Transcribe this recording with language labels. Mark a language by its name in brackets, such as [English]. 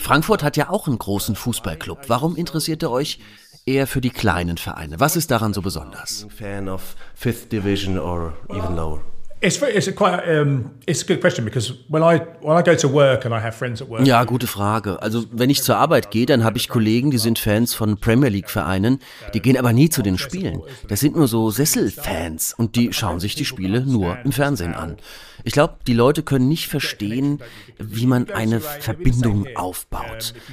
[German] Frankfurt hat ja auch einen großen Fußballclub. Warum interessiert er euch eher für die kleinen Vereine? Was ist daran so besonders? [English] Fan of fifth division or even lower. It's a good question because when I go to work and I have friends at work. [German] Ja, gute Frage. Also, wenn ich zur Arbeit gehe, dann habe ich Kollegen, die sind Fans von Premier League Vereinen, die gehen aber nie zu den Spielen. Das sind nur so Sesselfans und die schauen sich die Spiele nur im Fernsehen an. Ich glaube, die Leute können nicht verstehen, wie man eine Verbindung aufbaut.